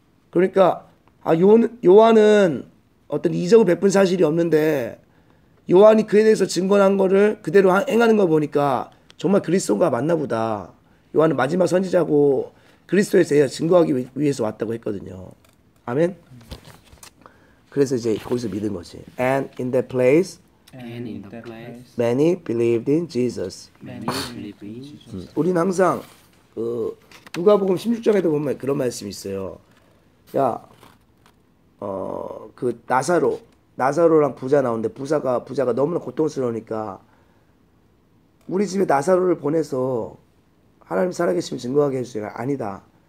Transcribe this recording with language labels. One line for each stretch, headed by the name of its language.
Korean: 그러니까 요한은 어떤 이적을 베푼 사실이 없는데 요한이 그에 대해서 증거한 거를 그대로 행하는 거 보니까 정말 그리스도가 맞나 보다. 요한은 마지막 선지자고 그리스도에 대해서 증거하기 위해서 왔다고 했거든요. 아멘? 그래서 이제 거기서 믿은 거지.
English: And in that place, many believed in Jesus. Jesus.
Korean: 우리는 항상 그 누가복음 16장에도 보면 그런 말씀이 있어요. 야, 그 나사로랑 부자 나오는데 부자가 너무나 고통스러우니까 우리 집에 나사로를 보내서 하나님 살아계심을 증거하게 해주세요. 아니다.